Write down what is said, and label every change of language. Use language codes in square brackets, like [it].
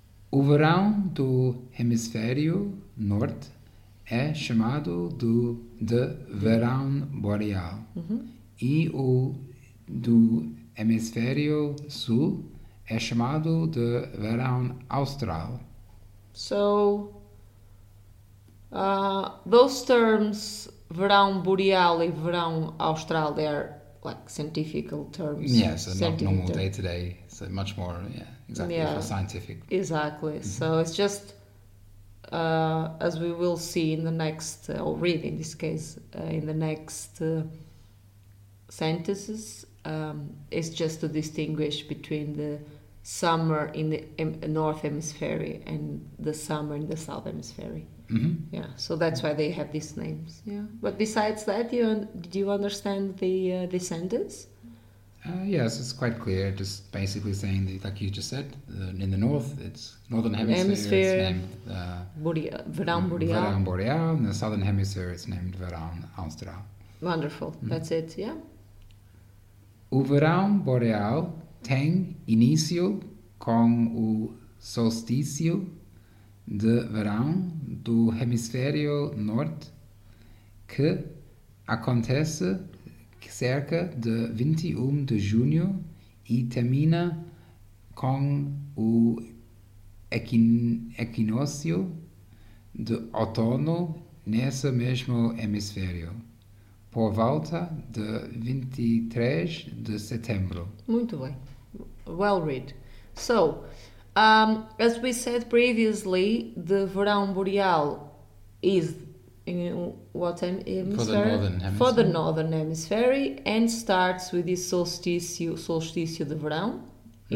[pt] O verão do hemisfério norte é chamado de verão boreal uhum. e o do hemisfério sul é chamado de verão austral. [en] So, those terms, [pt] verão boreal e verão austral, [en] they are like scientific terms. Yes, yeah, so not normal day-to-day, so much more, for scientific. Exactly, mm-hmm. so it's just... as we will see in the next, or read in this case, in the next sentences, it's just to distinguish between the summer in the North Hemisphere and the summer in the South Hemisphere. Mm-hmm. Yeah, so that's why they have these names. Yeah, but besides that, did you understand the sentence? Yes, it's quite clear. Just basically saying, like you just said, in the north, it's northern hemisphere. It's named [pt] Verão Boreal. Verão Boreal. [en] In the southern hemisphere, it's named Verão Austral. Wonderful. Mm. That's it, yeah. [pt] O Verão Boreal tem início com o solstício de verão do hemisfério norte que acontece cerca de 21 de junho e termina com o equinócio de outono nesse mesmo hemisfério, por volta de 23 de setembro. Muito bem. [en] Well read. So, as we said previously, the verão boreal is... In what hemisphere? For the northern hemisphere. And starts with this solstício de verão. Mm-hmm.